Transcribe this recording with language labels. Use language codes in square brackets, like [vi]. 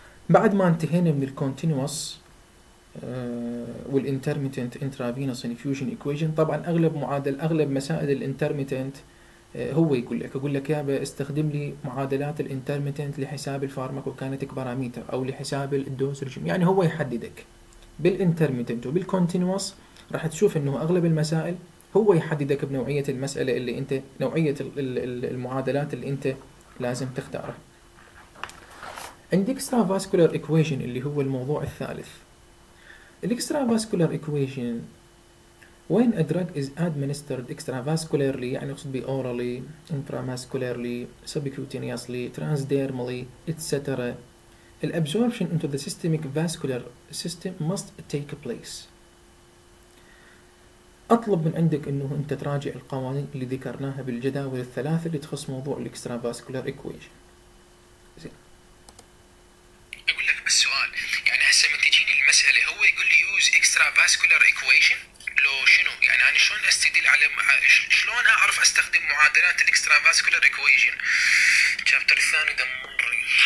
[ar] بعد ما انتهينا من الكونتينوس والانترميتنت انترافينوس انفيوجن ايكويشن، طبعا اغلب معادل اغلب مسائل الانترميتنت هو يقول لك، اقول لك يا استخدم لي معادلات الانترميتنت لحساب الفارماكوكاينتيك باراميتر او لحساب الدوز ريجيم، يعني هو يحددك بالانترميتنت وبالكونتينوس. راح تشوف انه اغلب المسائل هو يحددك بنوعيه المساله اللي انت نوعيه المعادلات اللي انت لازم تختارها. عندك اكسترا فاسكولار ايكويشن اللي هو الموضوع الثالث. الاكسترا فاسكولار ايكويشن [en] When a drug is administered extravascularly, [ar] يعني يقصد بي [en] orally, intramuscularly, subcutaneously, transdermally, etc. The absorption into the systemic vascular system must take place. [ar] أطلب من عندك أنه أنت تراجع القوانين اللي ذكرناها بالجداول الثلاثة اللي تخص موضوع الاكسترافاسكولار equation. أقول لك بس سؤال، يعني هسه من تجيني المسألة هو يقول لي [en] use extravascular equation؟ [ar] لو شنو يعني انا شلون استدل على شلون اعرف استخدم معادلات الاكسترا فاسكولار ايكويشن؟ الشابتر الثاني دمري.